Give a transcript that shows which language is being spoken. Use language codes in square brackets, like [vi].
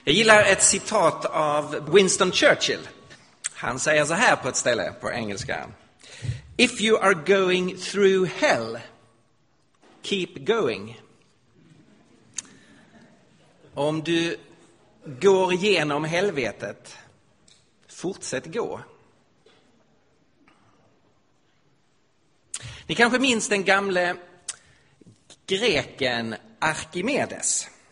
[sv] Jag gillar ett citat av Winston Churchill. Han säger så här på ett ställe på engelska. [en] If you are going through hell, keep going. [sv] Om du går genom helvetet, fortsätt gå. Ni kanske minns den gamle greken Arkimedes.